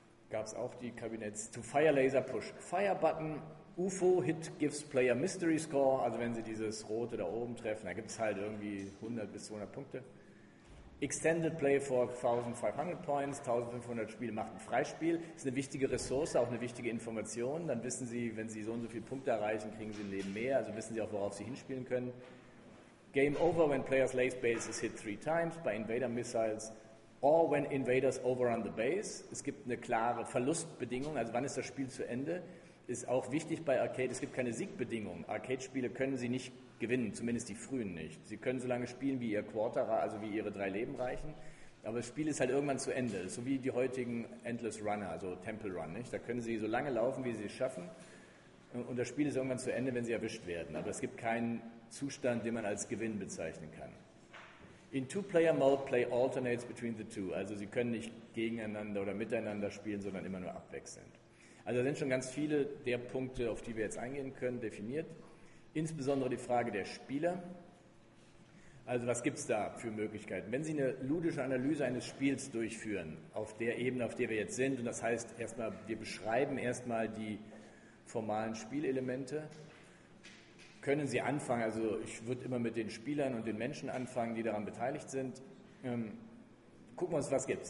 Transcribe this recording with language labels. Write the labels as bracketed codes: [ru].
[de] gab es auch die Kabinetts, [en] to fire laser, push fire button, UFO, hit gives player mystery score, [de] also wenn Sie dieses Rote da oben treffen, da gibt es halt irgendwie 100 bis 200 Punkte, [en] extended play for 1500 points, [de] 1500 Spiele macht ein Freispiel, ist eine wichtige Ressource, auch eine wichtige Information, dann wissen Sie, wenn Sie so und so viele Punkte erreichen, kriegen Sie ein Leben mehr, also wissen Sie auch, worauf Sie hinspielen können. [en] Game over when players lay base is hit 3 times by invader missiles or when invaders overrun the base. [de] Es gibt eine klare Verlustbedingung, also wann ist das Spiel zu Ende, ist auch wichtig bei Arcade, es gibt keine Siegbedingung. Arcade-Spiele können Sie nicht gewinnen, zumindest die frühen nicht. Sie können so lange spielen, wie Ihr Quarter, also wie Ihre drei Leben reichen, aber das Spiel ist halt irgendwann zu Ende, so wie die heutigen Endless Runner, also Temple Run, nicht? Da können Sie so lange laufen, wie Sie es schaffen und das Spiel ist irgendwann zu Ende, wenn Sie erwischt werden, aber es gibt keinen Zustand, den man als Gewinn bezeichnen kann. [en] In Two-Player-Mode, play alternates between the two. [de] Also Sie können nicht gegeneinander oder miteinander spielen, sondern immer nur abwechselnd. Also da sind schon ganz viele der Punkte, auf die wir jetzt eingehen können, definiert. Insbesondere die Frage der Spieler. Also was gibt es da für Möglichkeiten? Wenn Sie eine ludische Analyse eines Spiels durchführen, auf der Ebene, auf der wir jetzt sind, und das heißt erstmal, wir beschreiben erstmal die formalen Spielelemente, können Sie anfangen, also ich würde immer mit den Spielern und den Menschen anfangen, die daran beteiligt sind. Gucken wir uns, was gibt's.